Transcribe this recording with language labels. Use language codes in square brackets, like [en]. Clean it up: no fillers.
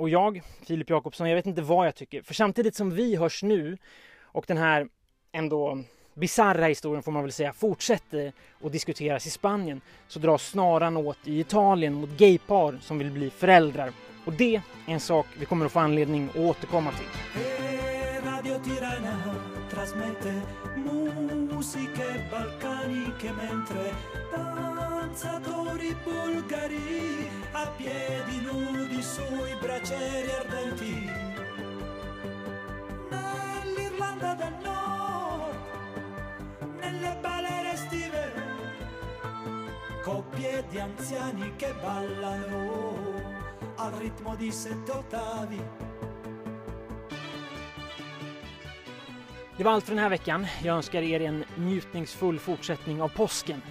[sv] Och jag, Filip Jakobsson, jag vet inte vad jag tycker. För samtidigt som vi hörs nu och den här ändå bizarra historien får man väl säga fortsätter att diskuteras i Spanien, så dras snaran åt i Italien mot gaypar som vill bli föräldrar. Och det är en sak vi kommer att få anledning att återkomma till. [it] Radio Tirana trasmette musiche balcaniche mentre danzatori bulgari a piedi nudi sui braccieri ardenti nell'Irlanda del Nord nelle balere estive coppie di anziani che ballano al ritmo di 7 ottavi. [sv] Det var allt för den här veckan. Jag önskar er en njutningsfull fortsättning av påsken.